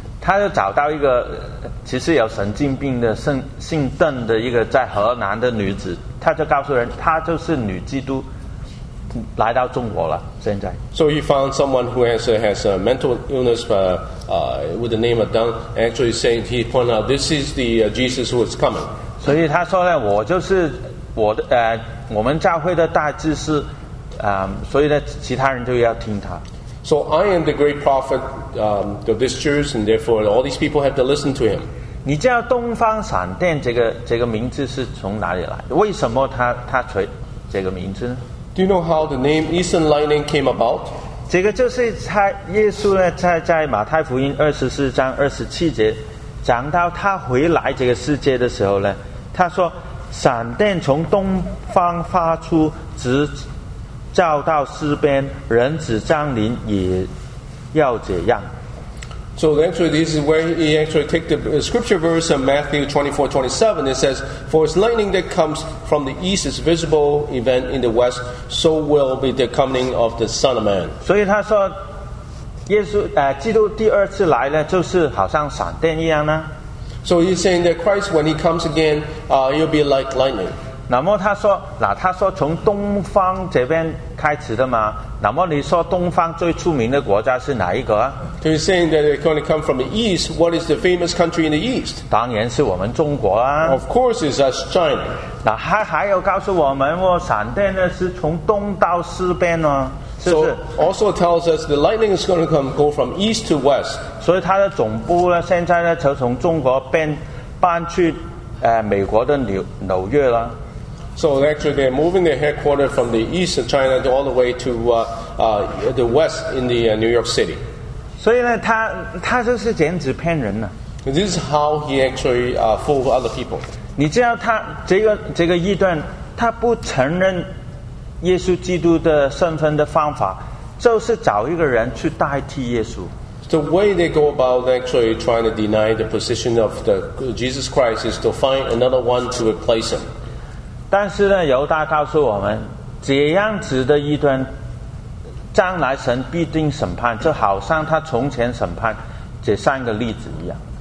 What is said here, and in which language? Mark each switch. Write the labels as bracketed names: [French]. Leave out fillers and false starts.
[Chinese] 他就找到一个其实有神经病的姓邓的一个在河南的女子，他就告诉人，她就是女基督来到中国了，现在。So [English] he found someone who has a mental illness with the name of Deng, actually saying, he pointed out, this is the Jesus who is coming. [Chinese] 所以他说呢，我就是。我们教会的大祭司所以呢，其他人就要听他。 [English] So I am the great prophet of this church, and therefore all these people have to listen to him. [Chinese] 你知道东方闪电这个名字是从哪里来的？为什么他取这个名字呢？ [English] Do you know how the name Eastern Lightning came about? [Chinese] 这个就是他耶稣呢，在马太福音24:27讲到他回来这个世界的时候呢，他说闪电从东方发出，直照到西边，人子降临也要这样。 [English] So actually, this is where he actually take the scripture verse in Matthew 24:27. It says, "For as lightning that comes from the east is visible event in the west, so will be the coming of the Son of Man." [Chinese] 所以他说，耶稣基督第二次来呢，就是好像闪电一样呢。 [English] So he's saying that Christ, when he comes again, he'll be like lightning. [Chinese] 那么他说从东方这边开始的嘛。那么你说东方最出名的国家是哪一个啊？ [English] So he's saying that it's going to come from the east. What is the famous country in the east? [Chinese] 当然是我们中国啊。 [English] Of course, it's us China. [Chinese] 那还有告诉我们，闪电呢是从东到西边呢，是不是？ [English] So also tells us the lightning is going to go from east to west. [Chinese] 所以它的总部呢，现在呢就从中国搬去美国的纽约了。 [English] So actually, they're moving their headquarters from the east of China to all the way to the west in the New York City. So, he is just a liar. This is how he actually fools other people. You know, this part, he doesn't acknowledge Jesus Christ's identity. The way they go about actually trying to deny the position of Jesus Christ is to find another one to replace him. [Chinese] 但是呢，犹大告诉我们，这样子的异端，将来神必定审判，就好像他从前审判这三个例子一样。